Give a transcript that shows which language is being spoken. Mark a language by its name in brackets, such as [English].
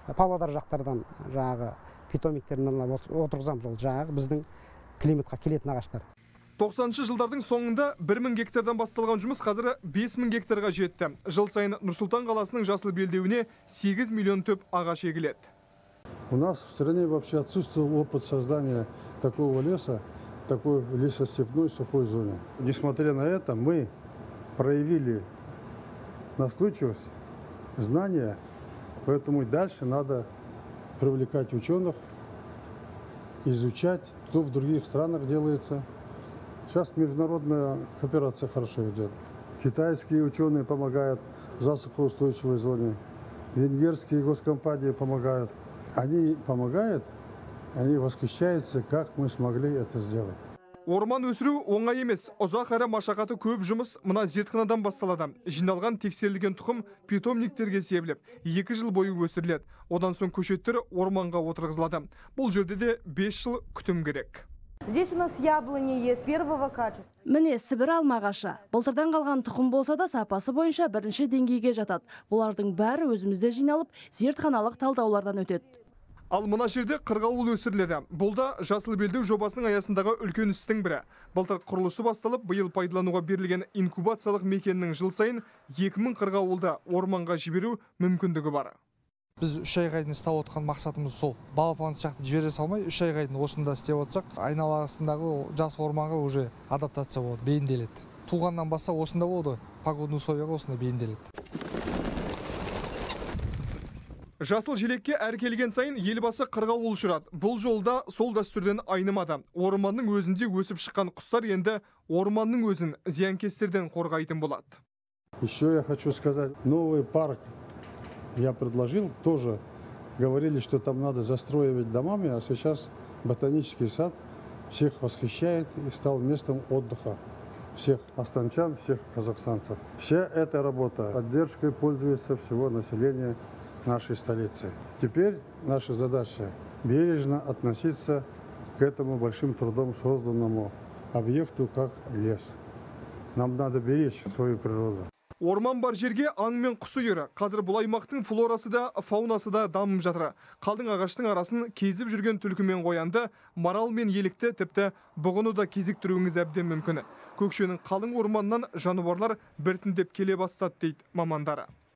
[Kazakh] Павлодар жақтардан жағы питомниктерінен отырғызамыз ол жағы біздің климатқа келетін ағаштар. 90-шы жылдардың соңында 1000 гектардан басталған жұмыс қазір 5000 гектарға жетті. Жыл сайын Нұрсұлтан қаласының жасыл белдеуіне 8 миллион түп ағаш егіледі. [Russian] У нас в стране вообще отсутствовал опыт создания такого леса, такой лесостепной сухой зоны. Несмотря на это, мы проявили настойчивость, знания, поэтому дальше надо привлекать ученых, изучать, что в других странах делается. Сейчас международная кооперация хорошо идет. Китайские ученые помогают в засухоустойчивой зоне, венгерские госкомпании помогают. Они помогают, они восхищаются, как мы смогли это сделать. [Kazakh] Орман өсіру оңай емес. Ұзақ әрі машақаты көп жұмыс мына зертханадан басталады. Жиналған тексерілген тұқым питомниктерге себіліп, 2 жыл бойы өсіріледі. Одан соң көшеттер орманға отырғызылады. Бұл жерде де 5 жыл күтім керек. [Russian] Здесь у нас яблони есть первого качества. [Kazakh] Міне, сібір алмағаша. Былтырдан қалған тұқым болса да сапасы бойынша бірінші деңгейге жатады. Бұлардың бәрі өзімізде жиналып, зертханалық талдаулардан өтеді. Ал мына жерде қырғауыл өсіріледі. Бұл да жасыл белдеу жобасының аясындағы үлкен істің бірі. Былтыр құрылысы басталып, биыл пайдалануға берілген инкубациялық мекеннің жыл сайын 2000 қырғауылды орманға жіберу мүмкіндігі бар. Біз үш айғайдың ұстап отқан мақсатымыз сол. Балапан сияқты жібере салмай, үш айғайдың осында істеп отсақ, айналасындағы жас орманға уже адаптация болады, бейінделеді. Туғаннан баса осында болды, [Russian] погодный [Kazakh] условияға осында бейінделеді. Жасыл желекке әр келген сайын елбасы қырғауыл ұшырады. Бұл жолда сол дәстүрден айнымады. Орманның өзінде өсіп шыққан құстар енді орманның өзін зиянкестерден қорғайтын болады. [Russian] Еще я хочу сказать, новый парк я предложил, тоже говорили, что там надо застроивать домами, а сейчас ботанический сад всех восхищает и стал местом отдыха всех астанчан, всех казахстанцев. Вся эта работа поддержкой пользуется всего населения нашей столицы. Теперь наша задача бережно относиться к этому большим трудом созданному объекту, как лес. Нам надо беречь свою природу. [Kazakh] Орман бар жерге аң мен құсы үйірі. Қазір бұл аймақтың флорасы да, фаунасы да дамып жатыр. Қалдың ағаштың арасын кезіп жүрген түлкі мен қоянды, марал мен елікті тіпті бұғыны да кезіктіруіңіз әбден мүмкін. Көкшенің қалың орманынан жануарлар біртіндеп келе бастады дейді мамандары.